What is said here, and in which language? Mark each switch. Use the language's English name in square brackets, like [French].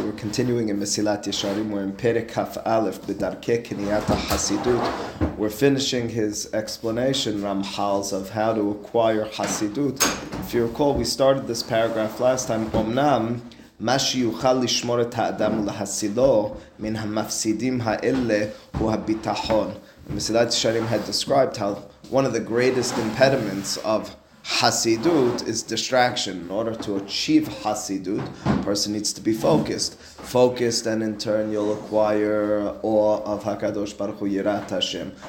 [English] We're continuing in Mesilat Yesharim. We're in Perek Haf Aleph, B'darkei Kniyat HaHasidut. We're finishing his explanation, Ramchal's, of how to acquire Hasidut. If you recall, we started this paragraph last time. Omnam, [Hebrew] מה שיוכל לשמור את האדם להסילו מן המפסידים האלה הוא הביטחון. [English] מסילת ישרים had described how one of the greatest impediments of Hasidut is distraction. In order to achieve Hasidut, a person needs to be focused. Focused, and in turn you'll acquire awe of HaKadosh Baruch Hu Yirat Hashem.